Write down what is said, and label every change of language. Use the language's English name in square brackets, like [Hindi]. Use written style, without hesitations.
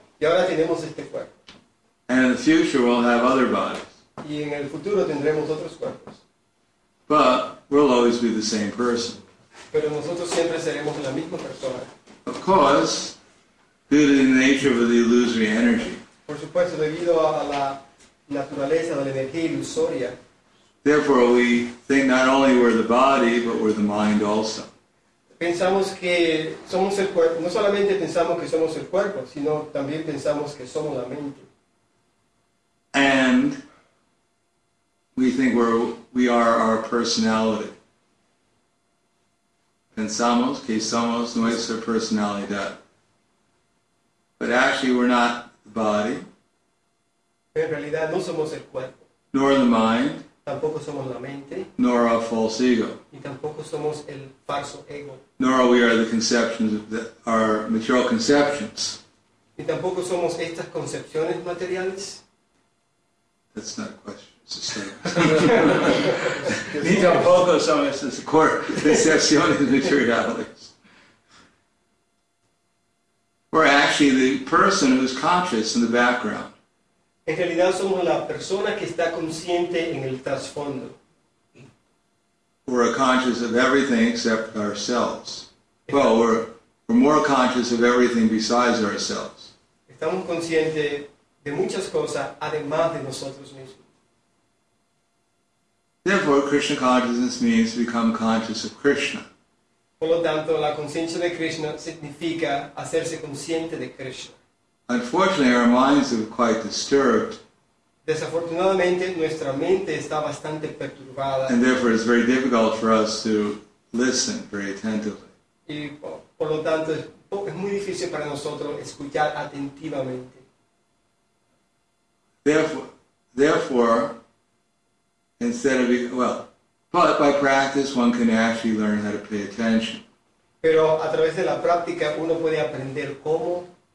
[Spanish] Y ahora tenemos este cuerpo. [English] And in the future we'll have other bodies. [Spanish] Y en el futuro tendremos otros cuerpos. [English] But we'll always be the same person. [Spanish] Pero nosotros siempre seremos la misma persona. [English] Of course, due to the nature of the illusory energy. [Spanish] Por supuesto, debido a la naturaleza de la energía ilusoria. [English] Therefore, we think not only we're the body, but we're the mind also. [Spanish] Pensamos que somos el cuerpo, no solamente pensamos que somos el cuerpo, sino también pensamos que somos la mente. [English] And we think we are our personality. [Spanish] Pensamos que somos nuestra personalidad. [English] But actually we're not the body. [Spanish] En realidad no somos el cuerpo. [English] Nor the mind. [Spanish] Tampoco somos la mente. [English] Nor our false ego. [Spanish] Y tampoco somos el falso ego. [English] Nor are we are the conceptions of the, our material conceptions. [Spanish] Y tampoco somos estas concepciones materiales. [English] That's not a question. It's a statement. [Spanish] Ni tampoco somos estas concepciones materiales. [English] We're actually the person who's conscious in the background. [Spanish] En realidad somos la persona que está consciente en el trasfondo. [English] We're conscious of everything except ourselves. Well, we're more conscious of everything besides ourselves. [Spanish] Estamos conscientes de muchas cosas además de nosotros mismos. [English] Therefore, Krishna consciousness means to become conscious of Krishna. [Spanish] Por lo tanto, la conciencia de Krishna significa hacerse consciente de Krishna. [English] Unfortunately, our minds are quite disturbed. [Spanish] Desafortunadamente, nuestra mente está bastante perturbada. [English] And therefore, it's very difficult for us to listen very attentively. [Spanish] Y por lo tanto, es muy difícil para nosotros escuchar atentivamente. [English] Therefore, instead of but by practice, one can actually learn how to pay attention. [Spanish] Pero a través de la práctica, uno puede aprender cómo.